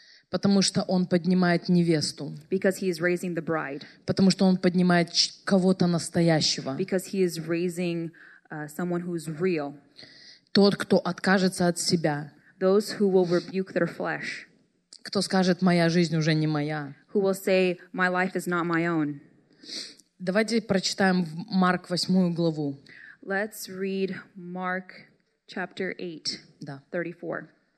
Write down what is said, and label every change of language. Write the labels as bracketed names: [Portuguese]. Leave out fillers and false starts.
[Russian] Потому что он поднимает невесту. [English] Because he is raising the bride. [Russian] Потому что он поднимает кого-то настоящего. [English] Because he is raising someone who is real. [Russian] Тот, кто откажется от себя. [English] Those who will rebuke their flesh. [Russian] Кто скажет, моя жизнь уже не моя. [English] Who will say, my life is not my own. [Russian] Давайте прочитаем Марк 8 главу. [English] Let's read Mark chapter 8, 34.